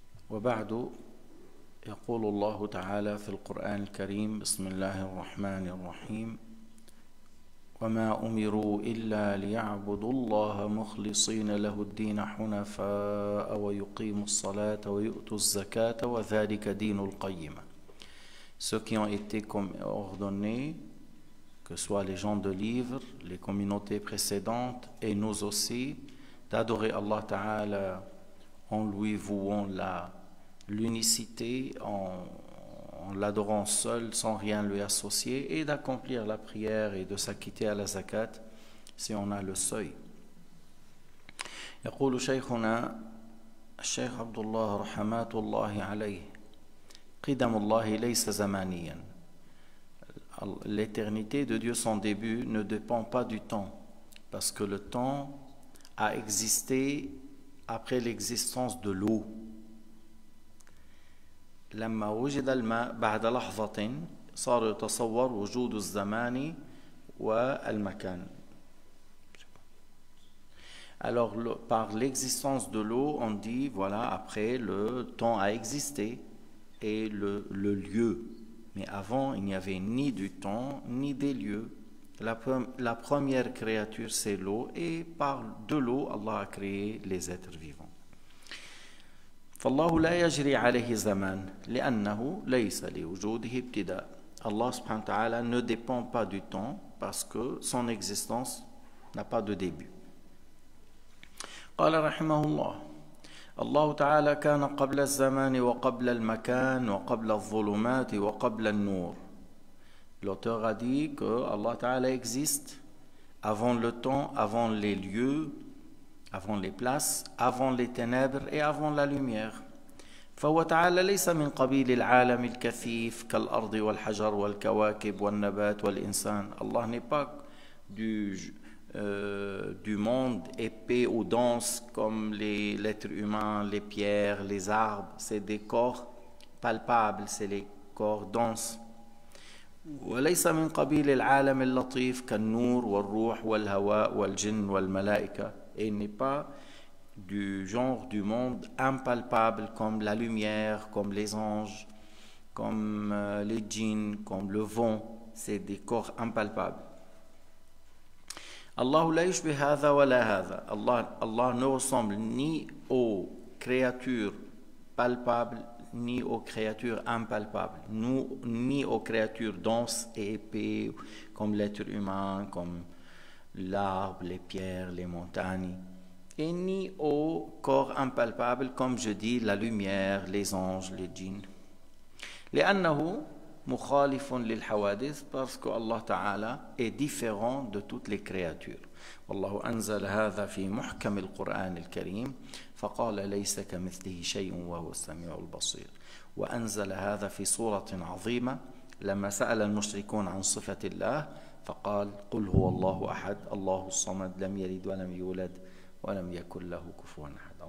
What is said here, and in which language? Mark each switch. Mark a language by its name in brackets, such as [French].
[Arabic] وبعد، يقول الله تعالى في القرآن الكريم: بسم الله الرحمن الرحيم. وما أمروا إلا ليعبدوا الله مخلصين له الدين حنفاء ويقيموا الصلاة ويؤتوا الزكاة وذلك دين القيمة. [French] Ceux qui ont été ordonnés, que soient les gens de livre, les communautés précédentes et nous aussi, d'adorer Allah Ta'ala en lui vouant l'unicité, en l'adorant seul, sans rien lui associer, et d'accomplir la prière et de s'acquitter à la zakat si on a le seuil. [Arabic] يقول شيخنا الشيخ عبد الله رحمات الله عليه: قدم الله ليس زمانيا. [French] L'éternité de Dieu, son début, ne dépend pas du temps, parce que le temps a existé après l'existence de l'eau. [Arabic] لما وجد الماء بعد لحظة صار يتصور وجود الزمان والمكان. [French] Alors par l'existence de l'eau, on dit voilà, après le temps a existé et le lieu. Mais avant, il n'y avait ni du temps ni des lieux. La première créature, c'est l'eau, et par de l'eau, Allah a créé les êtres vivants. [Arabic] فالله لا يجري عليه زمان لأنه ليس لوجوده ابتداء. الله سبحانه وتعالى [French] ne dépend pas du temps parce que son existence n'a pas de début. [Arabic] قال رحمه الله: الله تعالى كان قبل الزمان وقبل المكان وقبل الظلمات وقبل النور. [French] L'auteur a dit que Allah تعالى existe avant le temps, avant les lieux, avant les places, avant les ténèbres et avant la lumière. [Arabic] فهو تعالى ليس من قبيل العالم الكثيف كالأرض والحجر والكواكب والنبات والإنسان. [French] Allah n'est pas du monde épais ou dense comme l'être humain, les pierres, les arbres. C'est des corps palpables, c'est les corps denses. [Arabic] وليس من قبيل العالم اللطيف كالنور والروح والهواء والجن والملائكة. [French] Et n'est pas du genre du monde impalpable comme la lumière, comme les anges, comme les djinns, comme le vent. C'est des corps impalpables. [Arabic] Allah la yushbih hadha wa la hadha. [French] Allah ne ressemble ni aux créatures palpables, ni aux créatures impalpables, ni aux créatures denses et épais, comme l'être humain, comme l'arbre, les pierres, les montagnes, et ni au corps impalpable, comme je dis, la lumière, les anges, les djinns. [Arabic] لأنه مخالف للحوادث, [French] parce que Allah Ta'ala est différent de toutes les créatures. [Arabic] والله أنزل هذا في محكم القرآن الكريم فقال ليس كمثله شيء وهو السميع البصير. وأنزل هذا في سورة عظيمة لما سأل المشركون عن صفة الله فقال قل هو الله أحد الله الصمد لم يلد ولم يولد ولم يكن له كفوا أحد.